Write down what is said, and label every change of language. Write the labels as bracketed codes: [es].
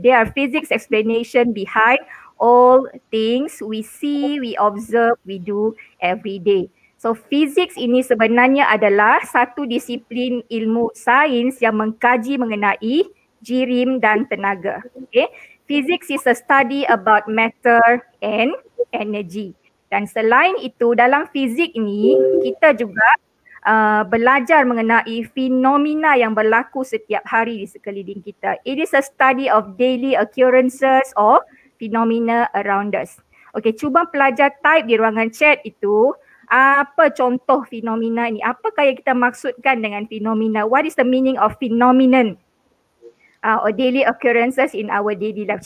[en] There are physics explanation behind all things we see, we observe, we do every day. [ms] So physics ini sebenarnya adalah satu disiplin ilmu sains yang mengkaji mengenai jirim dan tenaga. [en] Okay. Physics is a study about matter and energy. [ms] Dan selain itu dalam fizik ini kita juga belajar mengenai fenomena yang berlaku setiap hari di sekeliling kita. [en] It is a study of daily occurrences or phenomena around us. [ms] Okay, cuba pelajar type di ruangan chat itu apa contoh fenomena ini? Apakah yang kita maksudkan dengan fenomena? [en] What is the meaning of phenomenon or daily occurrences in our daily life?